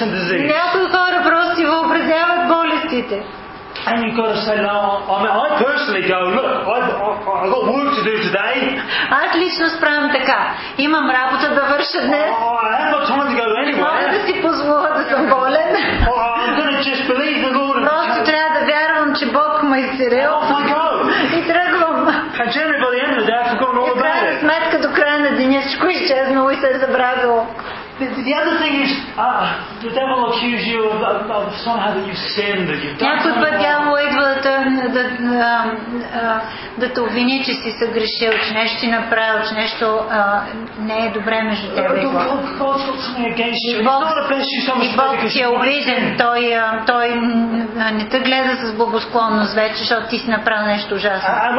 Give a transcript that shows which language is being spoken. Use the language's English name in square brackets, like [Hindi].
[Bulgarian] Някои хора просто си въобразяват болестите. [English] And you've got to say, no, I mean, I personally go, look, I've got work to do today. [Bulgarian] Аз лично справям така. Имам работа да върша днес. [English] I have got time to go anywhere. [Bulgarian] Може да си позволя да съм болен. [English] I'm going to just believe the Lord. [Bulgarian] Просто трябва да вярвам, че Бог ме изцерил. [English] Off I go. [Bulgarian] И тръгвам. [English] And generally, by the end of the day, I've forgotten all about it. [Bulgarian] И крайна сметка, до края на деня, всичко изчезнало и се е забравило. [English] The other thing is, the devil accuses you of somehow that you've sinned, that you've done something wrong. [Bulgarian] Някой път дявол идва да те обвини, че си съгрешил, че нещо ти направил, че нещо не е добре между теб и Бог. И Бог ти е обиден. Той не те гледа с благосклонност вече, защото ти си направил нещо ужасно.